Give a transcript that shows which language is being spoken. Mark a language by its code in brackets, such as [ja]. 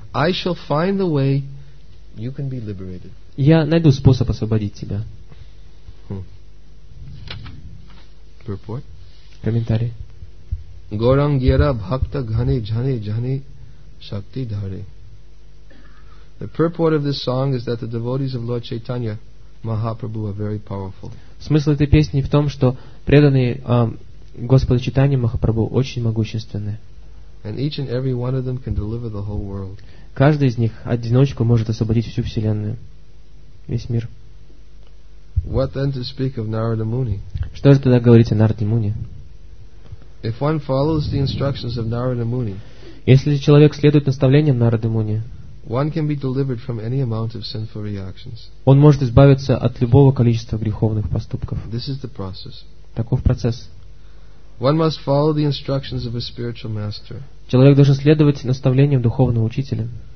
[en] I shall find the way. You can be liberated. [ru] Я найду способ освободить тебя. [en] Purport. [ru] Комментарий. [bn] Горангира бхакта гхане джхане джхане шакти дхаре. [en] The purport of this song is that the devotees of Lord Chaitanya Mahaprabhu are very powerful. [ru] Смысл этой песни в том, что преданные Господу Чайтанье Махапрабху очень могущественны. [en] And each and every one of them can deliver the whole world. [ru] Каждый из них одиночку может освободить всю вселенную, весь мир. [en] What then to speak of Narada Muni? [ru] Что же тогда говорить о Нараде Муни? [en] If one follows the instructions of Narada Muni, [ru] если человек следует наставлениям Нарады Муни, [en] one can be delivered from any amount of sinful reactions. [ru] Он может избавиться от любого количества греховных поступков. [en] This is the process. [ru] Таков процесс. [en] One must follow the instructions of a spiritual master. [ru] Человек должен следовать наставлениям духовного учителя.